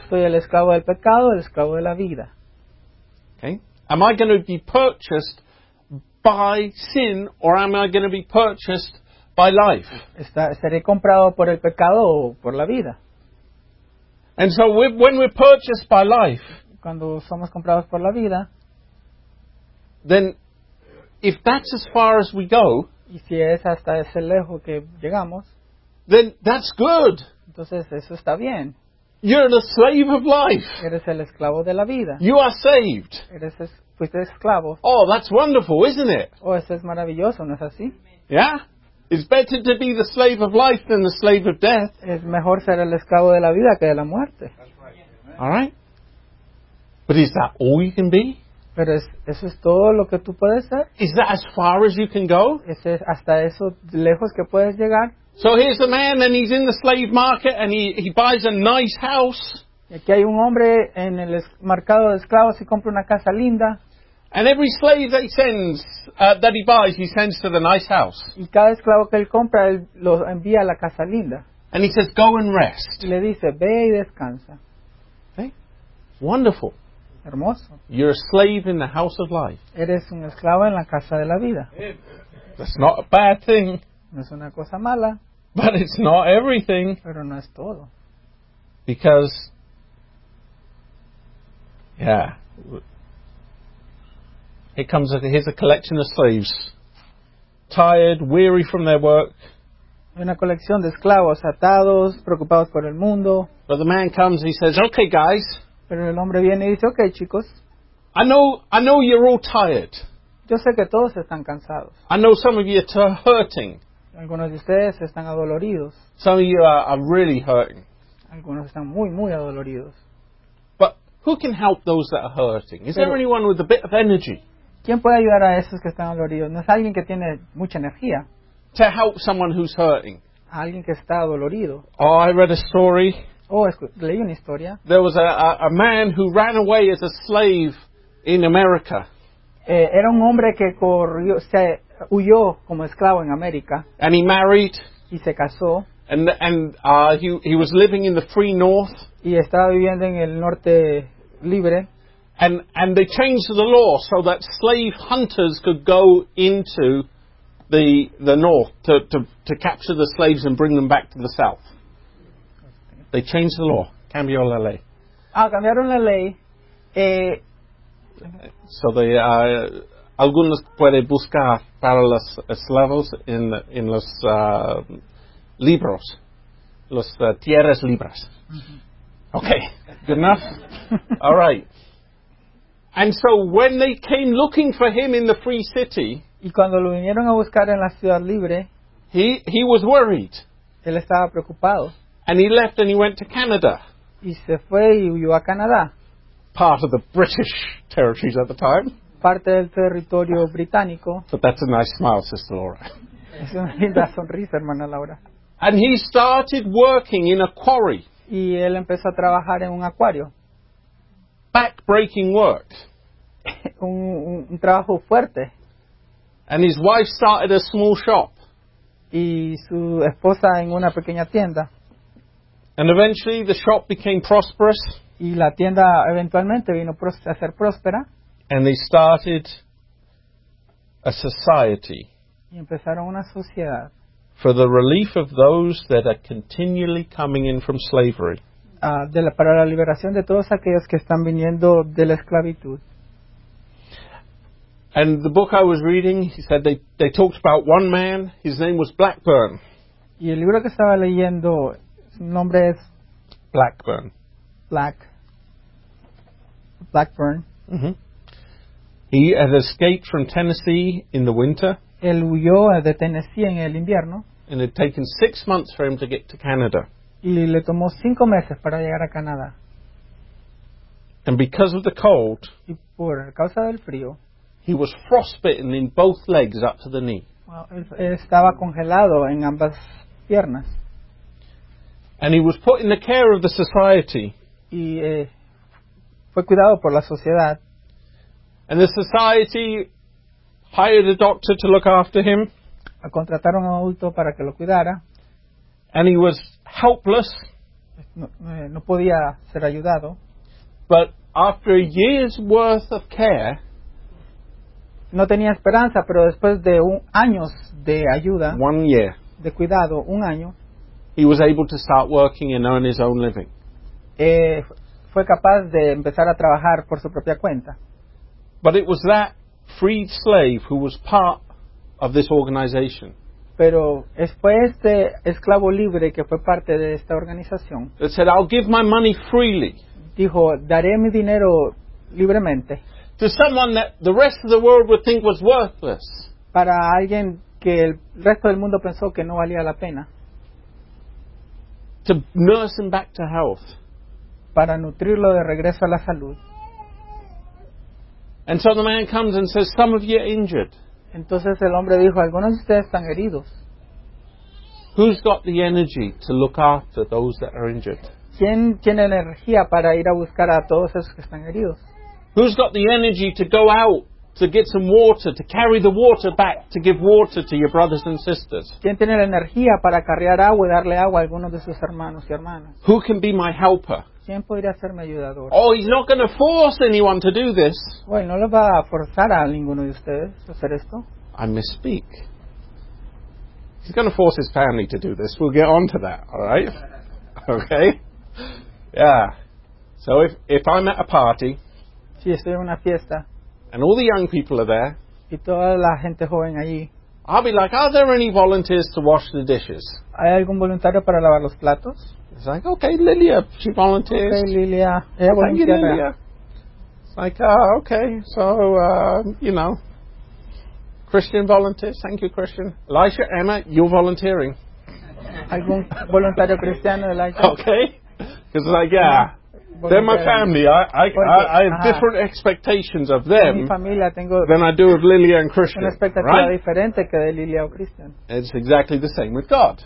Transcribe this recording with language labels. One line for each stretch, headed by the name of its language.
Spanish: Soy el esclavo del pecado, el esclavo de la vida.
English: Okay. Am I going to be purchased by sin, or am I going to be purchased by life?
Spanish: ¿Seré comprado por el pecado o por la vida?
English: And so when we're purchased by life,
Spanish: cuando somos comprados por la vida,
English: then if that's as far as we go,
Spanish: y si es hasta ese lejos que llegamos,
English: then that's good.
Spanish: Entonces eso está bien.
English: You're the slave of life.
Spanish: Eres el esclavo de la vida.
English: You are saved.
Spanish: Eres fuiste esclavo.
English: Oh, that's wonderful, isn't it?
Spanish: Oh, eso es maravilloso, ¿no es así?
English: Yeah? It's better to be the slave of life than the slave of death.
Spanish: Es mejor ser el esclavo de la vida que de la muerte.
English: All right? But is that all you can be?
Spanish: Pero eso es todo lo que tú puedes ser.
English: Is that as far as you can go?
Spanish: Es hasta eso lejos que puedes llegar.
English: So here's a man and he's in the slave market and he buys a nice house.
Spanish: Aquí hay un hombre en el mercado de esclavos y compra una casa linda.
English: And every slave that he sends, that he buys, he sends to the nice house.
Spanish: Y cada esclavo que él compra, él lo envía a la casa linda.
English: And he says, go and rest.
Spanish: Le dice, ve y descansa.
English: Okay. Wonderful.
Spanish: Hermoso.
English: You're a slave in the house of life.
Spanish: Eres un esclavo en la casa de la vida.
English: That's not a bad thing.
Spanish: No es una cosa mala.
English: But it's not everything.
Spanish: Pero no es todo.
English: Because, yeah, it comes, here's a collection of slaves. Tired, weary from their work.
Spanish: Una colección de esclavos atados, preocupados por el mundo.
English: But the man comes and he says, okay, guys.
Spanish: Pero el hombre viene y dice, okay, chicos.
English: I know you're all tired.
Spanish: Yo sé que todos están cansados.
English: I know some of you are hurting.
Spanish: Algunos de ustedes están adoloridos.
English: Some of you are really hurting.
Spanish: Algunos están muy, muy adoloridos.
English: But who can help those that are hurting? Is there anyone with a bit of energy?
Spanish: ¿Quién puede ayudar a esos que están adoloridos? No es alguien que tiene mucha energía.
English: To help someone who's hurting.
Spanish: Alguien que está adolorido.
English: Oh, I read a story.
Spanish: Oh, leí una historia.
English: There was a man who ran away as a slave in America.
Spanish: Era un hombre que corrió, se huyó como esclavo en América.
English: And he married.
Spanish: Y se casó.
English: And he was living in the free north.
Spanish: Y estaba viviendo en el norte libre.
English: And they changed the law so that slave hunters could go into the north to capture the slaves and bring them back to the south. They changed the law.
Spanish: Cambió la ley. Ah, cambiaron la ley.
English: So they
Spanish: algunos pueden buscar para los esclavos en los libros, los tierras libres.
English: Mm-hmm. Okay, good enough. All right. And so when they came looking for him in the free city,
Spanish: y cuando lo vinieron a buscar en la ciudad libre,
English: he was worried.
Spanish: Él estaba preocupado.
English: And he left and he went to Canada.
Spanish: Y se fue y huyó a Canadá.
English: Part of the British territories at the time.
Spanish: Parte del territorio británico.
English: But that's a nice smile, Sister Laura.
Spanish: Es una linda sonrisa, hermana Laura.
English: And he started working in a quarry.
Spanish: Y él empezó a trabajar en un acuario.
English: Back-breaking work.
Spanish: un trabajo fuerte.
English: And his wife started a small shop.
Spanish: Y su esposa en una pequeña tienda.
English: And eventually the shop became prosperous.
Spanish: Y la tienda eventualmente vino a ser próspera.
English: And they started a society.
Spanish: Y empezaron una sociedad.
English: For the relief of those that are continually coming in from slavery.
Spanish: Para la liberación de todos aquellos que están viniendo de la esclavitud.
English: And the book I was reading, he said they talked about one man, his name was Blackburn.
Spanish: Y el libro que estaba leyendo, su nombre es Blackburn. Blackburn.
English: Mm-hmm. He had escaped from Tennessee in the winter.
Spanish: Él huyó de Tennessee en el invierno.
English: And it had taken 6 months for him to get to Canada.
Spanish: Y le tomó 5 meses para llegar a Canadá.
English: And because of the cold,
Spanish: y por causa del frío,
English: he was frostbitten in both legs up to the knee. Well,
Spanish: estaba congelado en ambas piernas.
English: And he was put in the care of the society.
Spanish: Y fue cuidado por la sociedad.
English: And the society hired a doctor to look after him.
Spanish: Contrataron a un adulto para que lo cuidara.
English: And he was helpless.
Spanish: No podía ser ayudado.
English: But after a year's worth of care,
Spanish: no tenía esperanza, pero después de años de ayuda,
English: 1 year,
Spanish: de cuidado, un año,
English: he was able to start working and earn his own living.
Spanish: Fue capaz de empezar a trabajar por su propia cuenta.
English: But it was that freed slave who was part of this organization.
Spanish: Pero fue este esclavo libre que fue parte de esta organización.
English: It said, I'll give my money freely.
Spanish: Dijo, daré mi dinero libremente.
English: To someone that the rest of the world would think was worthless.
Spanish: Para alguien que el resto del mundo pensó que no valía la pena.
English: To nurse him back to health.
Spanish: Para nutrirlo de regreso a la salud.
English: And so the man comes and says, some of you are injured.
Spanish: Entonces el hombre dijo, algunos de ustedes están heridos.
English: Who's got the energy to look after those that are injured?
Spanish: ¿Quién tiene energía para ir a buscar a todos esos que están heridos?
English: Who's got the energy to go out to get some water, to carry the water back, to give water to your brothers and sisters?
Spanish: ¿Quién tiene la energía para cargar agua y darle agua a algunos de sus hermanos y hermanas?
English: Who can be my helper?
Spanish: ¿Quién podría ser mi ayudador?
English: Oh, he's not going to force anyone to do this.
Spanish: Bueno, no lo va a forzar a ninguno de ustedes a hacer esto.
English: I misspeak. He's going to force his family to do this. We'll get on to that, all right? Okay? Yeah. So if I'm at a party,
Spanish: si estoy en una fiesta,
English: and all the young people are there,
Spanish: y toda la gente joven allí,
English: I'll be like, are there any volunteers to wash the dishes?
Spanish: ¿Hay algún voluntario para lavar los platos?
English: It's like, okay, Lilia, she volunteers.
Spanish: Okay, Lilia. Ella
English: volunteers. Thank you, Lilia. It's like, okay, so, you know. Christian volunteers. Thank you, Christian. Elisha, Emma, you're volunteering.
Spanish: ¿Algún voluntario cristiano, Elisha?
English: Okay. Because it's like, yeah. They're my family. I have different expectations of them than I do of Lilia and Christian.
Spanish: Una expectativa diferente que de Lilia o Christian.
English: It's exactly the same with God.